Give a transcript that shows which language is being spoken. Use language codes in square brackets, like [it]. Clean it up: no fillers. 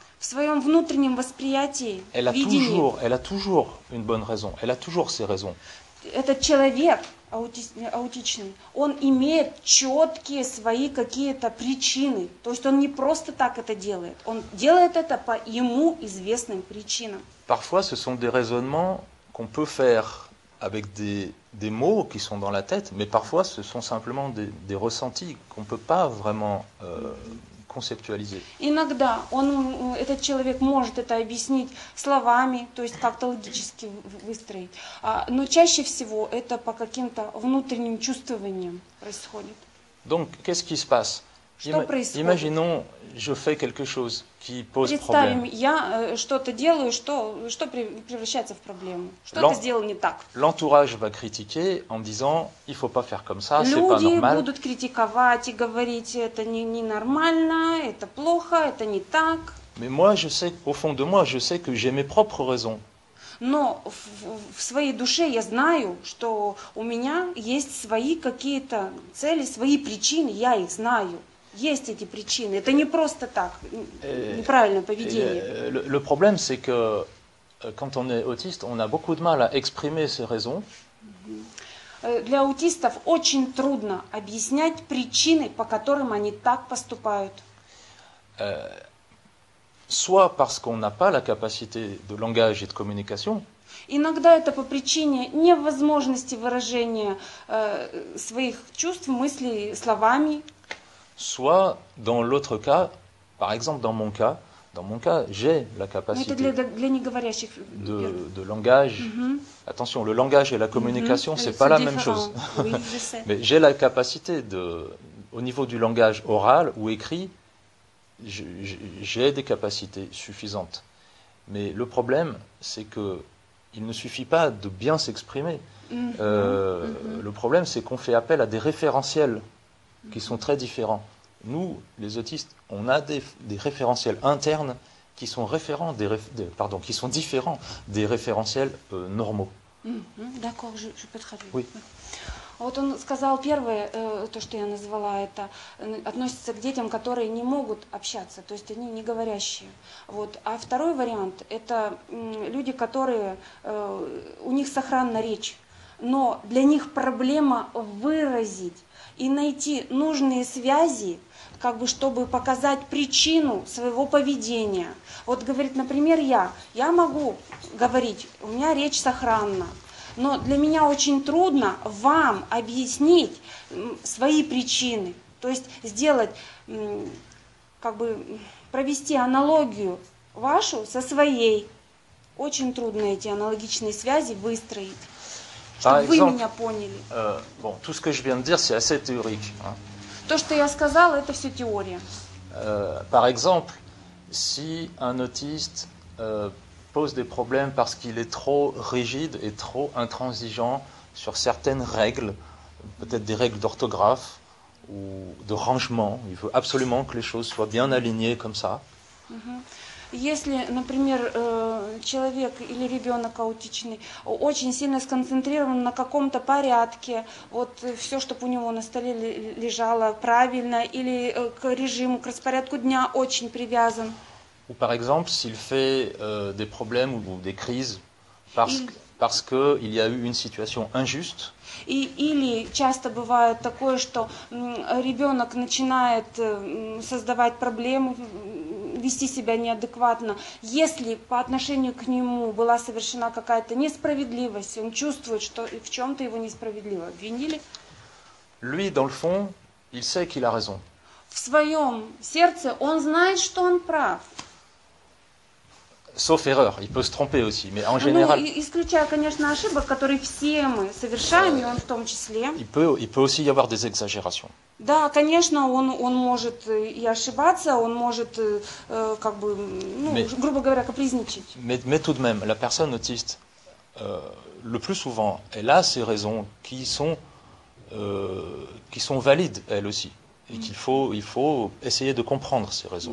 [ru] в своем внутреннем восприятии, [fr] elle a [ru] видении, [fr] toujours, elle a toujours une bonne raison, elle a toujours ses raisons. [ru] Этот человек аутичный, он имеет четкие свои какие-то причины. То есть он не просто так это делает. Он делает это по ему известным причинам. [fr] Parfois, ce sont des raisonnements qu'on peut faire avec des mots qui sont dans la tête, mais parfois, ce sont simplement des ressentis qu'on peut pas vraiment conceptualiser. [ru] Иногда он, этот человек может это объяснить словами, то есть как-то логически выстроить. Но чаще всего это по каким-то внутренним чувствованиям происходит. [fr] Donc, qu'est-ce qui se passe? [ru] Что происходит? [fr] Imaginons, je fais quelque chose qui pose [ru] Представим, [fr] problème. [ru] Я что-то делаю, что превращается в проблему. Что ты сделал не так? [fr] L'entourage va critiquer en disant, il faut pas faire comme ça, [ru] Люди [fr] c'est pas normal. [ru] Люди будут критиковать и говорить, это не нормально, это плохо, это не так. [fr] Mais moi, je sais, au fond de moi, je sais que j'ai mes propres raisons. [ru] Но в своей душе я знаю, что у меня есть свои какие-то цели, свои причины, я их знаю. Есть эти причины. Это не просто так, неправильное поведение. [fr] Le problème, c'est que quand on est autiste, on a beaucoup de mal à exprimer ses raisons. [ru] Для аутистов очень трудно объяснять причины, по которым они так поступают. [fr] Soit parce qu'on n'a pas la capacité de langage et de communication. [ru] Иногда это по причине невозможности выражения своих чувств, мыслей словами. [fr] Soit dans l'autre cas, par exemple dans mon cas, j'ai la capacité de langage. Mm-hmm. Attention, le langage et la communication, mm-hmm. c'est pas différent. La même chose. Oui, mais j'ai la capacité de, au niveau du langage oral ou écrit, j'ai des capacités suffisantes. Mais le problème, c'est que il ne suffit pas de bien s'exprimer. Mm-hmm. Le problème, c'est qu'on fait appel à des référentiels. Qui sont très différents. Nous, les autistes, on a des référentiels internes qui sont référents, qui sont différents des référentiels normaux. Mm-hmm. D'accord, je peux traduire. Oui. [ru] Вот он сказал первое, то, что я назвала, это относится к детям, которые не могут общаться, то есть они не говорящие. Вот. А второй вариант – это люди, которые, у них сохранна речь, но для них проблема выразить. И найти нужные связи, как бы, чтобы показать причину своего поведения. Вот, говорит, например, я могу говорить, у меня речь сохранна, но для меня очень трудно вам объяснить свои причины, то есть сделать, как бы, провести аналогию вашу со своей. Очень трудно эти аналогичные связи выстроить. Чтобы вы меня поняли. [fr] Bon, tout ce que je viens de dire, c'est assez théorique. [ru] То, что я сказал, это все теория. [fr] Par exemple, si un autiste pose des problèmes parce qu'il est trop rigide et trop intransigeant sur certaines règles, peut-être des règles d'orthographe ou de rangement, il veut absolument que les choses soient bien alignées comme ça. [ru] Если, например, человек или ребенок аутичный очень сильно сконцентрирован на каком-то порядке, вот все, чтобы у него на столе лежало правильно, или к режиму, к распорядку дня очень привязан. [fr] Ou par exemple, s'il fait des problèmes ou des crises parce, Parce qu'il y a eu une situation injuste. [ru] И или часто бывает такое, что ребенок начинает создавать проблемы, вести себя неадекватно, если по отношению к нему была совершена какая-то несправедливость, он чувствует, что в чем-то его несправедливо обвинили. [fr] Lui, dans le fond, il sait qu'il a raison. [ru] В своем сердце он знает, что он прав. [fr] Sauf erreur, il peut se tromper aussi, mais en général. [ru] Ну, исключая, конечно, ошибок, которые все мы совершаем, и он в том числе. [fr] Il peut aussi y avoir des exagérations. [ru] Да, конечно, он может и ошибаться, он может как бы, ну, [fr] mais, [ru] грубо говоря, капризничать. [fr] Mais tout de même, la personne autiste, le plus souvent, elle a ses raisons qui sont valides, elle aussi, et qu'il faut essayer de comprendre ces raisons.